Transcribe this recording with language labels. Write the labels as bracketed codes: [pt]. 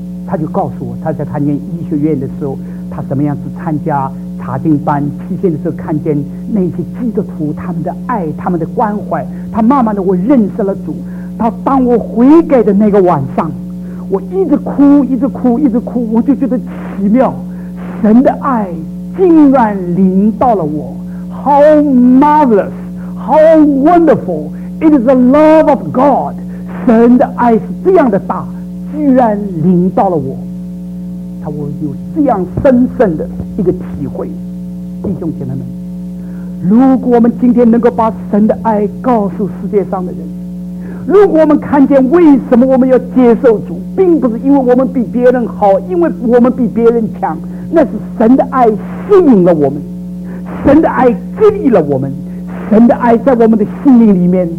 [zh] 他就告诉我，他在他念医学院的时候，他怎么样去参加查经班，期间的时候看见那些基督徒他们的爱，他们的关怀，他慢慢的我认识了主。到当我悔改的那个晚上，我一直哭，我就觉得奇妙，神的爱竟然临到了我。 [en] How marvelous, how wonderful, it is the love of God. [zh] 神的爱是这样的大，居然临到了我。他我有这样深深的一个体会。弟兄姐妹们，如果我们今天能够把神的爱告诉世界上的人，如果我们看见为什么我们要接受主，并不是因为我们比别人好，因为我们比别人强，那是神的爱吸引了我们，神的爱激励了我们，神的爱在我们的心灵里面。